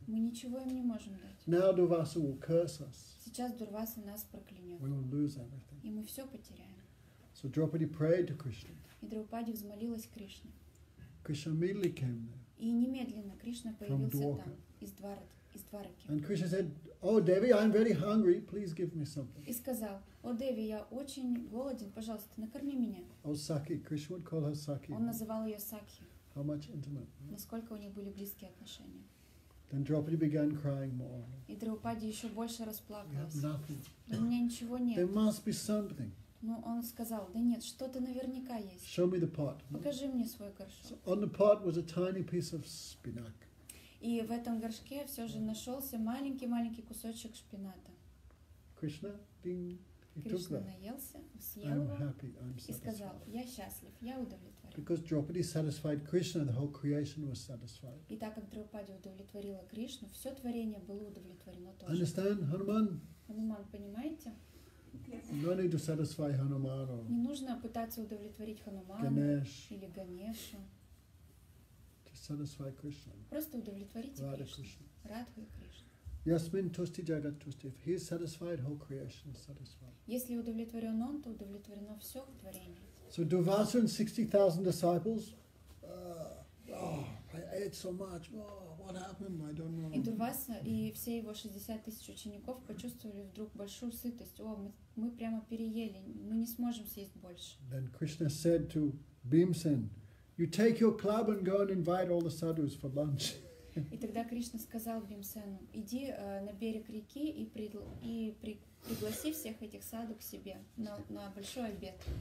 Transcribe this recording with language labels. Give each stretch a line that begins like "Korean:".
Russian: Мы ничего им не можем дать.
English: Now Durvasa will curse us.
Russian: Сейчас Дурваса нас проклянет.
English: We will lose everything.
Russian: И мы все потеряем.
English: So Draupadi prayed to Krishna.
Russian: И Драупади взмолилась Кришне.
English: Krishna immediately came there.
Russian: И немедленно Кришна появился там из Двараки.
English: And Krishna said, "Oh Devi, I'm very hungry. Please give me something."
Russian: И сказал: О, Деви, я очень голоден. Пожалуйста, накорми меня.
English: Oh Sakhi, Krishna would call her Sakhi.
Russian: Он называл ее Сакхи.
English: How much intimate. Right?
Russian: Насколько у них были близкие отношения.
English: Then Draupadi began crying more.
Russian: И Драупади еще больше расплакалась.
English: We have nothing.
Russian: У меня ничего нет.
English: There must be something.
Russian: Но он сказал: да нет, что-то наверняка есть.
English: Show me the pot.
Russian: Покажи мне свой горшок.
English: So on the pot was a tiny piece of spinach.
Russian: И в этом горшке все же нашелся маленький-маленький кусочек шпината.
English: Krishna, ding,
Russian: Кришна наелся, съел
English: I'm
Russian: его
English: happy,
Russian: и сказал: я счастлив, я удовлетворен.
English: Because Draupadi satisfied Krishna, the whole creation was satisfied.
Russian: И так как Драупади удовлетворила Кришну, все творение было удовлетворено тоже.
English: Understand, Hanuman?
Russian: Hanuman, понимаете?
English: Yes. No need to satisfy Hanuman or
Russian: не нужно пытаться удовлетворить Хануману
English: Ganesh.
Russian: Или Ганешу.
English: Just satisfy Krishna.
Russian: Просто удовлетворите
English: Radha
Russian: Кришну. Радху и Кришну.
Sanskrit: Yasmin tusti jagat tusti.
English: If he is satisfied, whole creation is satisfied.
Russian: Если удовлетворен он, то удовлетворено все творение.
English: So Durvasa and 60,000 disciples. Oh, I ate so much. Oh, what happened? I don't know.
Russian: И Дурваса и все его 60,000 учеников почувствовали вдруг большую сытость. О, мы прямо переели. Мы не сможем съесть больше.
English: Then Krishna said to Bhimsen, "You take your club and go and invite all the sadhus for lunch."
Russian: И тогда Кришна сказал Бхимсену: "Иди на берег реки и пригласи всех этих саду к себе на большой обед."